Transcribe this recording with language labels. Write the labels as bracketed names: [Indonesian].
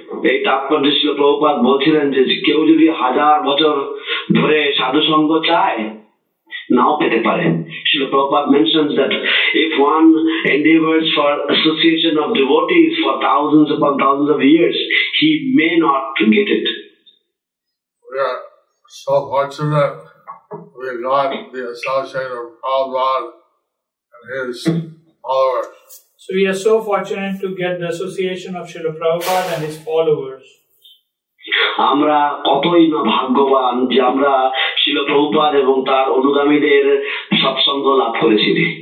[Bangla] এই তাৎপর্য ছিল প্রভুপাদ বলছিলেন যে কেউ যদি হাজার বছর ধরে সাধুসঙ্গ চায় নাও পেতে পারে। [English] Srila Prabhupada mention that if one endeavours for association of devotees for thousands of thousands of years he may not get it. We are so fortunate we got the association of Prabhupada and his followers. So we are so fortunate to get the association of Srila Prabhupada and his followers. [Bangla] আমরা কতই না ভাগ্যবান যে আমরা শ্রীল প্রভুপাদ এবং তার অনুগামীদের সৎসঙ্গ লাভ করেছি।